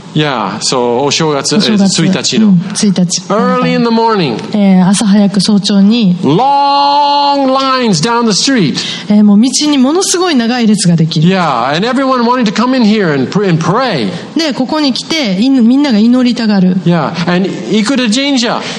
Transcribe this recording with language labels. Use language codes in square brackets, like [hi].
[en] Yeah, so [ja] お正月、1日の、 1日 [en] early in the morning、 [ja] 朝早く早朝に [en] long lines down the street、 [ja] もう道にものすごい長い列ができる。 [en] Yeah, and everyone wanting to come in here and pray。 [ja] でここに来てみんなが祈りたがる。 [en] Yeah, and 生田神社、